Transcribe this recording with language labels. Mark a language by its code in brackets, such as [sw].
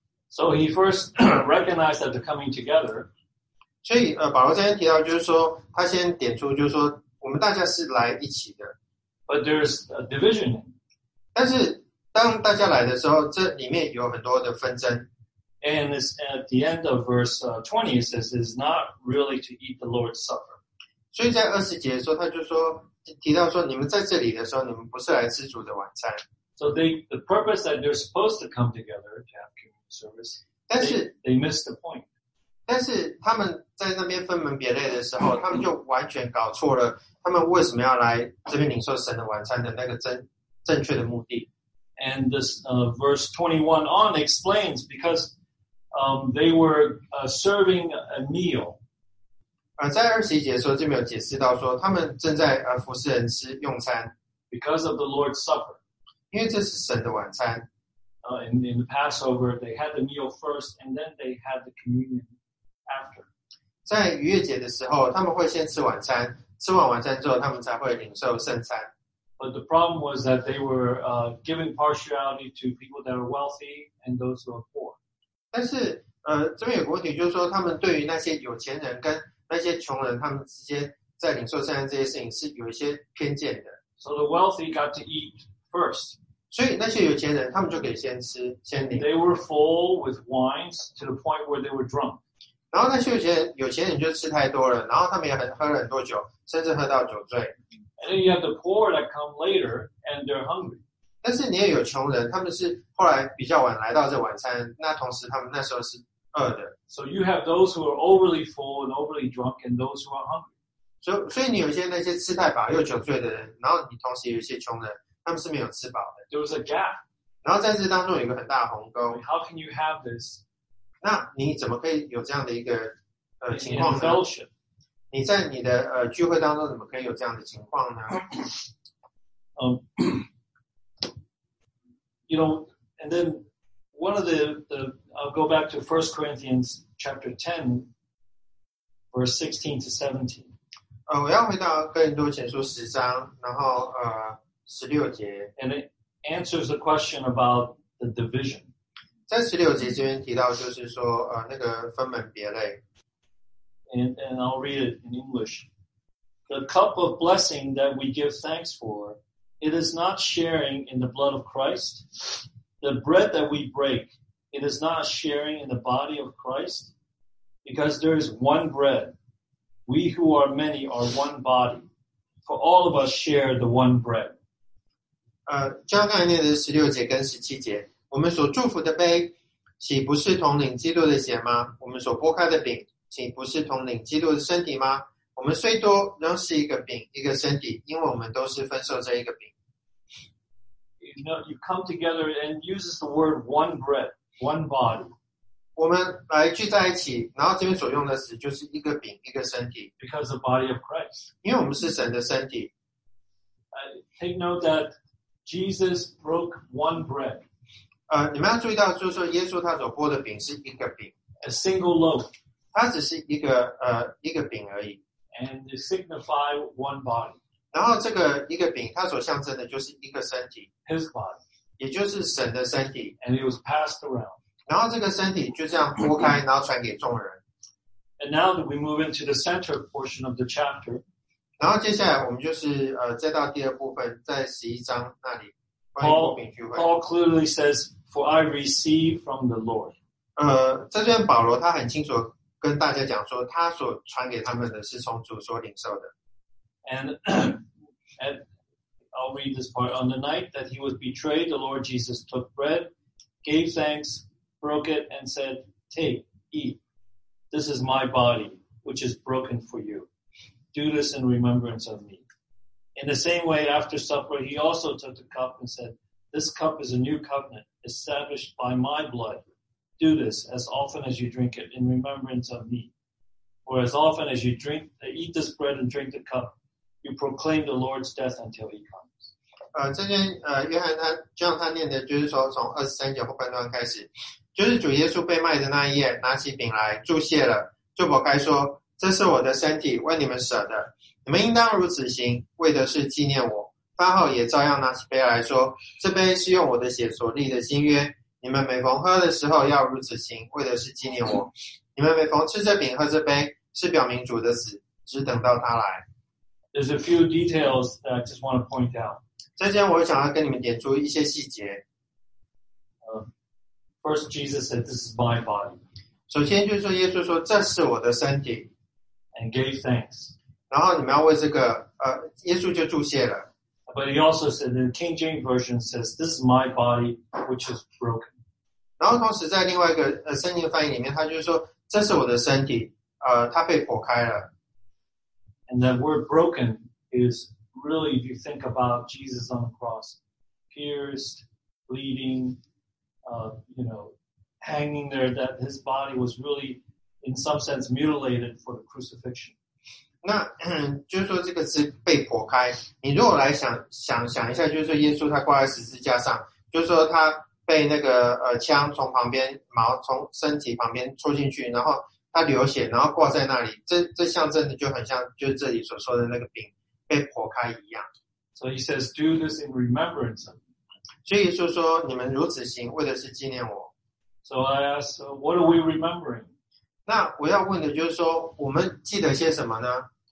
[en] So he first recognized that the coming together, [zh] 所以保罗这边提到就是说他先点出就是说我们大家是来一起的。 [en] But there's a division. [zh] 但是当大家来的时候，这里面有很多的纷争。 [en] And at the end of verse 20, it says it's not really to eat the Lord's Supper. [zh] 所以在二十节的时候，他就说提到说，你们在这里的时候，你们不是来吃主的晚餐。 [en] So the purpose that they're supposed to come together to have communion service, [zh] 但是 [en] they missed the point. [zh] 但是他们在那边分门别类的时候，他们就完全搞错了他们为什么要来这边领受神的晚餐的那个正确的目的。 [en] And this verse 21 on explains because they were serving a meal. [zh] 在二十一节的时候就没有解释到说他们正在服侍人吃用餐。 [en] Because of the Lord's Supper. [zh] 因为这是神的晚餐。 [en] In the Passover, they had the meal first and then they had the communion after. [zh] 在逾越节的时候他们会先吃晚餐，吃完晚餐之后他们才会领受圣餐。 [en] But the problem was that they were giving partiality to people that are wealthy and those who are poor. [zh] 但是这边有个问题，就是说他们对于那些有钱人跟那些穷人，他们之间在领受圣餐这些事情是有一些偏见的。 [en] So the wealthy got to eat first. [zh] 所以那些有钱人他们就可以先吃先领。 [en] They were full with wines to the point where they were drunk. [zh] 然后那些有钱人就吃太多了，然后他们也喝了很多酒，甚至喝到酒醉。 [en] And then you have the poor that come later and they're hungry. [zh] 但是你也有穷人，他们是后来比较晚来到这晚餐，那同时他们那时候是饿的。 [en] So you have those who are overly full and overly drunk and those who are hungry. [zh] 所以你有些那些吃太饱又酒醉的人，然后你同时有一些穷人，他们是没有吃饱的。 [en] There was a gap. [zh] 然后在这当中有一个很大的鸿沟。 [en] How can you have this? [zh] 那你怎么可以有这样的一个情况呢？ [en] In fellowship. [zh] 你在你的聚会当中怎么可以有这样的情况呢？ [en] You know, and then one of the I'll go back to 1 Corinthians chapter 10, verse 16 to 17. [zh] 我要回到哥林多前书十章，然后十六节。 [en] And it answers the question about the division. [zh] 在十六节这边提到，就是说那个分门别类。 [en] And I'll read it in English. The cup of blessing that we give thanks for, it is not sharing in the blood of Christ. The bread that we break, it is not sharing in the body of Christ. Because there is one bread. We who are many are one body. for all of us share the one bread. [zh] 加太念的十六节跟十七节，我们所祝福的杯，岂不是统领基督的血吗？我们所擘开的饼，岂不是统领基督的身体吗？我们虽多，仍是一个饼，一个身体，因为我们都是分受这一个饼。 [en] You come together and uses the word one bread, one body. [zh] 我们来聚在一起，然后这边所用的词就是一个饼，一个身体。 [en] Because the body of Christ. [zh] 因为我们是神的身体。 [en] Take note that Jesus broke one bread. [zh] 你们要注意到，就是说耶稣他所擘的饼是一个饼。 [en] A single loaf. [zh] 它只是一个饼而已。 [en] And it signifies one body. [zh] 然后这个一个饼，它所象征的就是一个身体。 [en] His body. [zh] 也就是神的身体。 [en] And it was passed around. [zh] 然后这个身体就这样擘开，然后传给众人。 [en] And now that we move into the center portion of the chapter, [zh] 然后接下来我们就是再到第二部分，在十一章那里关于擘饼聚会。 [en] Paul clearly says, "For I receive from the Lord." [zh] 在这边保罗他很清楚跟大家讲说，他所传给他们的是从主所领受的。 [en] And I'll read this part. On the night that he was betrayed, the Lord Jesus took bread, gave thanks. Broke it and said, "Take, eat. This is my body, which is broken for you. Do this in remembrance of me." In the same way, after supper, he also took the cup and said, "This cup is a new covenant established by my blood. Do this as often as you drink it in remembrance of me." For as often as you drink, eat this bread and drink the cup, you proclaim the Lord's death until he comes. [zh] 这边约翰他就像他念的，就是说从二十三节后半段开始，就是主耶稣被卖的那一夜，拿起饼来祝谢了，就擘开说：“这是我的身体，为你们舍的，你们应当如此行，为的是纪念我。” 饭后也照样拿起杯来说：“这杯是用我的血所立的新约，你们每逢喝的时候要如此行，为的是纪念我。你们每逢吃这饼喝这杯，是表明主的死，只等到他来。” [en] There's a few details that I just want to point out. [zh] 在这里我想要跟你们点出一些细节。 [en] First, Jesus said, "This is my body." [zh] 首先就是说，耶稣说，这是我的身体。 [en] And gave thanks. [zh] 然后你们要为这个，耶稣就祝谢了。 [en] But he also said, the King James Version says, "This is my body, which is broken." [zh] 然后同时在另外一个圣经翻译里面，他就是说，这是我的身体，他被擘开了。 [en] And that word broken is. Really, if you think about Jesus on the cross, pierced, bleeding, you know, hanging there, that his body was really, in some sense, mutilated for the crucifixion. [zh] 那就是说这个是被擘开。你如果来想一下，就是说耶稣他挂在十字架上，就是说他被那个枪从旁边矛从身体旁边戳进去，然后他流血，然后挂在那里。这象征的就很像就是这里所说的那个饼。被擘开一样。 [en] So he says, "Do this in remembrance of me." [zh] 所以就说你们如此行，为的是纪念我。 [en] So I ask, "What are we remembering?" [zh] 那我要问的就是说，我们记得些什么呢